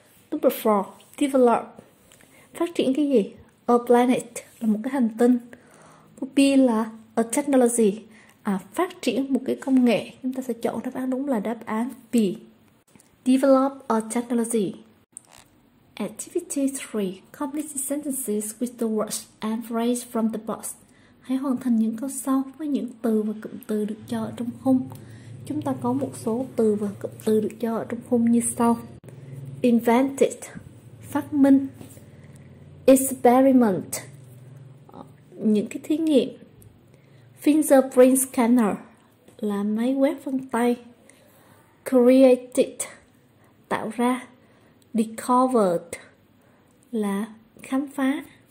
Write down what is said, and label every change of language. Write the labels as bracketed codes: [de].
[en] Number 4, develop, [vi] phát triển cái gì? A planet, là một cái hành tinh. B là a technology, phát triển một cái công nghệ. Chúng ta sẽ chọn đáp án đúng là đáp án B, [en] develop a technology. Activity 3, complete sentences with the words and phrase from the box. [vi] Hãy hoàn thành những câu sau với những từ và cụm từ được cho ở trong khung. Chúng ta có một số từ và cụm từ được cho ở trong khung như sau: invented, phát minh; experiment, những cái thí nghiệm; fingerprint scanner, là máy quét vân tay; created, tạo ra; discovered, là khám phá.